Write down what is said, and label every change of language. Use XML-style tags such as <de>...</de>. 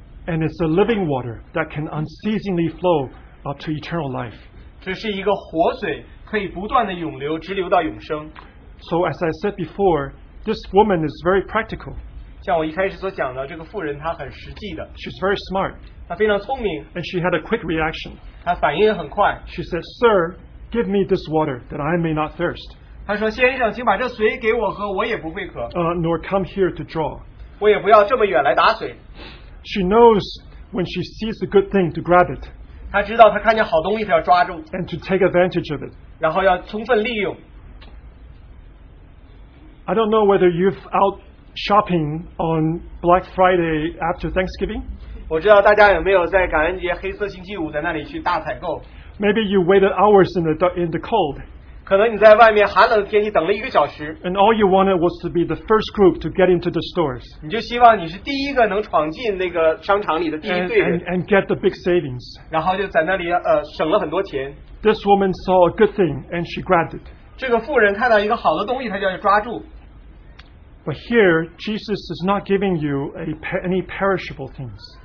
<en>And it's a living water that can unceasingly flow up to eternal life.</en> <zh>这是一个活水，可以不断的涌流，直流到永生。</zh> <en>So as I said before, this woman is very practical.</en> <zh>像我一开始所讲的，这个妇人她很实际的。</zh> <en>She's very smart.</en> <zh>她非常聪明。</zh> <en>And she had a quick reaction.</en> <zh>她反应很快。</zh> <en>She said, "Sir, give me this water that I may not thirst."</en> <zh>她说，先生，请把这水给我喝，我也不会渴。</zh> <en>Nor come here to draw.</en> <zh>我也不要这么远来打水。</zh> <en>She knows when she sees a good thing to grab it.</en> <zh>她知道她看见好东西她要抓住。</zh> <en>And to take advantage of it.</en> <zh>然后要充分利用。</zh> <en>I don't know whether you've out shopping on Black Friday after Thanksgiving.</en> <zh>我知道大家有没有在感恩节黑色星期五在那里去大采购。</zh> <en>Maybe you waited hours in the cold.</en> <zh>可能你在外面寒冷的天气等了一个小时。</zh> <en>And all you wanted was to be the first group to get into the stores.</en> <zh>你就希望你是第一个能闯进那个商场里的第一队人。</zh> <en>And get the big savings.</en> <zh>然后就在那里省了很多钱。</zh> <en>This woman saw a good thing and she grabbed it.</en> <zh>这个妇人看到一个好的东西，她就要抓住。</zh> <en>But here, Jesus is not giving you any perishable things.</en>